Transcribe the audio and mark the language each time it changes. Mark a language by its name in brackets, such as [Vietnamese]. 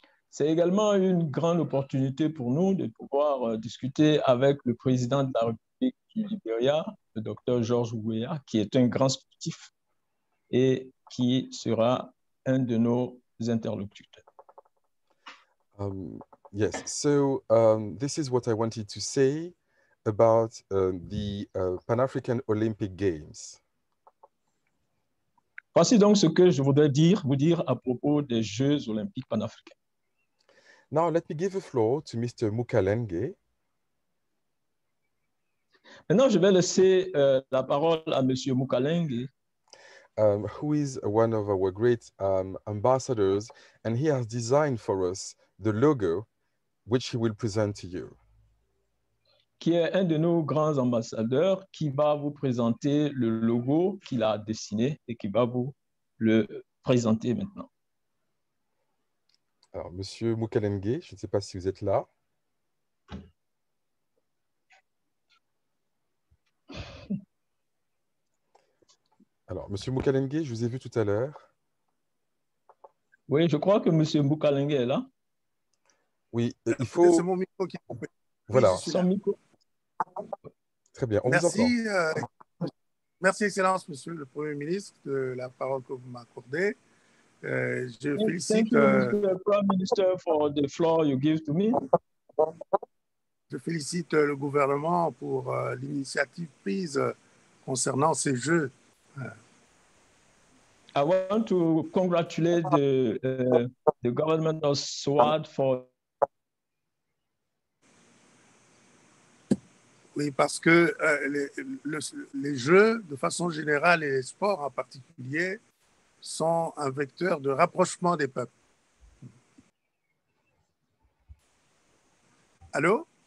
[French] C'est également une grande opportunité pour nous de pouvoir discuter avec le président de la République du Liberia, le Dr George Weah, qui est un grand sportif et qui sera un de nos interlocuteurs. [English] Yes, so this is what I wanted to say about the Pan-African Olympic Games. [French] Voici donc ce que je voudrais vous dire à propos des Jeux olympiques panafricains. [English] Now, let me give the floor to Mr. Mukalenge. [French] Maintenant, je vais laisser la parole à Monsieur Mukalenge. [English] Who is one of our great ambassadors, and he has designed for us the logo, which he will present to you. [French] Qui est un de nos grands ambassadeurs, qui va vous présenter le logo qu'il a dessiné et qui va vous le présenter maintenant. Alors, Monsieur Mukalenge, je ne sais pas si vous êtes là. Alors, Monsieur Mukalenge, je vous ai vu tout à l'heure. Oui, je crois que Monsieur Mukalenge est là. Oui, il faut... C'est mon micro qui est coupé. Voilà. Son micro. Très bien, on merci, vous entend. Merci, Excellence, Monsieur le Premier ministre, de la parole que vous m'accordez. Je félicite [English] le Prime Minister for the floor you give to me. [French] Je félicite le gouvernement pour l'initiative prise concernant ces jeux. [English] I want to congratulate the government of SWAD for. [French] Oui, parce que les jeux, de façon générale, et les sports en particulier, sont un vecteur de rapprochement des peuples. Allô?